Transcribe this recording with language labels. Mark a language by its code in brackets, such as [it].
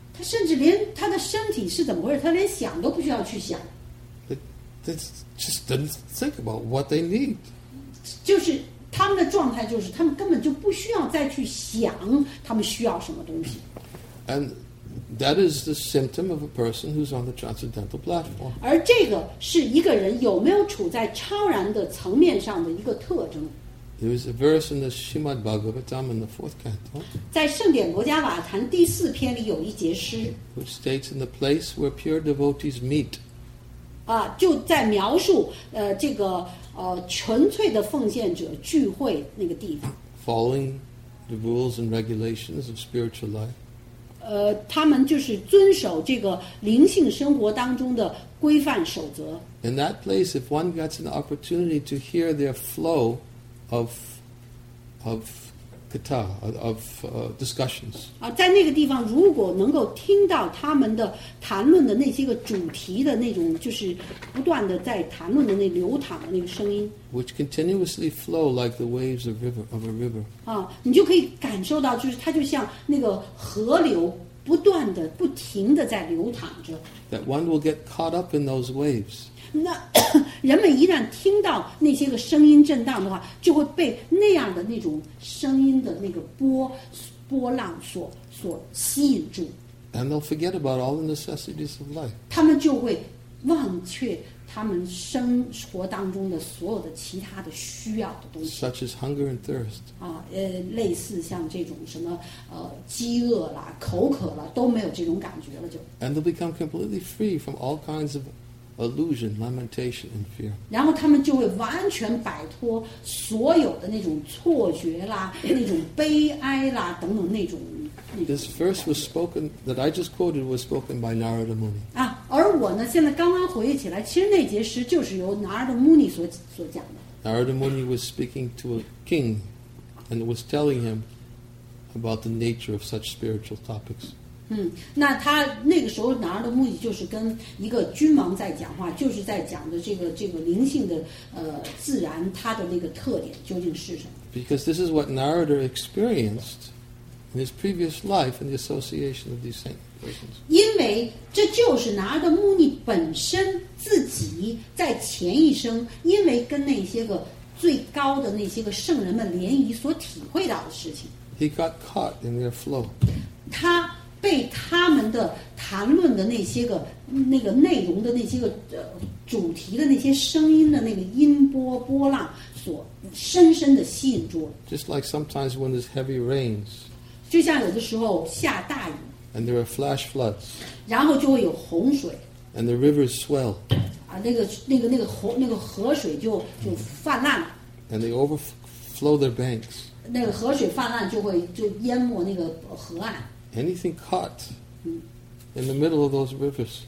[zh] 他甚至连他的身体是怎么回事，他连想都不需要去想。 [en] They just didn't think about what they need. [zh] 就是他们的状态就是他们根本就不需要再去想他们需要什么东西。 [en] And that is the symptom of a person who's on the transcendental platform. [zh] 而这个是一个人有没有处在超然的层面上的一个特征。 [en] There is a verse in the Srimad Bhagavatam in the fourth canto. [zh] 在圣典国家瓦坛第四篇里有一节诗。 [en] Which states in the place where pure devotees meet. [zh] 啊，就在描述这个纯粹的奉献者聚会那个地方。 [en] Following the rules and regulations of spiritual life. [zh] 他们就是遵守这个灵性生活当中的规范守则。 [en] In that place, if one gets an opportunity to hear their flow of katha, of discussions. [zh] 在那个地方如果能够听到他们的谈论的那些个主题的那种就是不断的在谈论的那流淌的那个声音。 [en] Which continuously flow like the waves of a river. [zh] 你就可以感受到就是它就像那个河流不断的不停的在流淌着。 [en] That one will get caught up in those waves. [zh] 那人们一旦听到那些个声音震荡的话，就会被那样的那种声音的那个波浪所吸引住。 [en] And they'll forget about all the necessities of life. [zh] 他们就会忘却他们生活当中的所有的其他的需要的东西。 [en] Such as hunger and thirst. [zh] 类似像这种什么饥饿啦、口渴啦，都没有这种感觉了就。 [en] And they'll become completely free from all kinds of. Illusion, lamentation, and fear. [zh] 然后他们就会完全摆脱所有的那种错觉啦，那种悲哀啦，等等那种。 [en] This verse was spoken that I just quoted was spoken by Narada Muni. [zh] 啊，而我呢，现在刚刚回忆起来，其实那节诗就是由 Narada Muni 所讲的。 [en] Narada Muni was speaking to a king, and was telling him about the nature of such spiritual topics. [zh] 那他那个时候拿的目的就是跟一个君王在讲话，就是在讲的这个灵性的自然它的那个特点究竟是什么。 [en] Because this is what Narada experienced in his previous life in the association of these saints. [zh] 因为这就是拿的目的本身自己在前一生因为跟那些个最高的那些个圣人们联谊所体会到的事情。 [en] He got caught in their flow. [zh] 他被他们的谈论的那些个那个内容的那些个主题的那些声音的那个音波波浪所深深的吸引住了。 [en] Just like sometimes when there's heavy rains. [zh] 就像有的时候下大雨。 [en] And there are flash floods. [zh] 然后就会有洪水。 [en] And the rivers swell. [zh] 啊，那个河水就泛滥了。 [en] And they overflow their banks. [zh] 那个河水泛滥就会淹没那个河岸。 [en] Anything caught in the middle of those rivers.